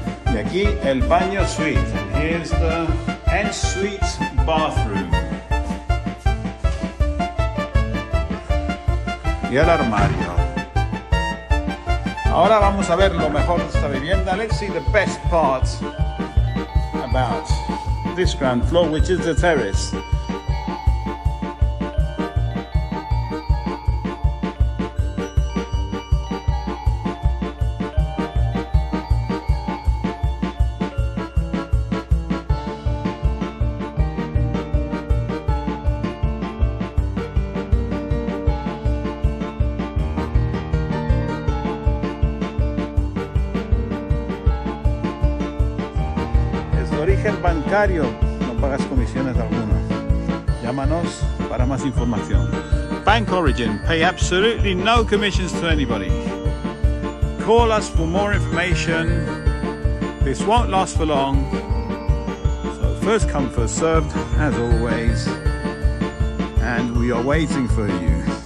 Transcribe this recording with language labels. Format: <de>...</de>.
<es>Y aquí el baño suite,</es> <en>and here's the ensuite bathroom.</en> <es>Y el armario. Ahora vamos a ver lo mejor de esta vivienda.</es> <en>Let's see the best part about this ground floor, which is the terrace.</en> <es>Origen bancario, no pagas comisiones alguna. Llámanos para más información.</es> <en>Bank origin, pay absolutely no commissions to anybody. Call us for more information. This won't last for long. So first come, first served, as always. And we are waiting for you.</en>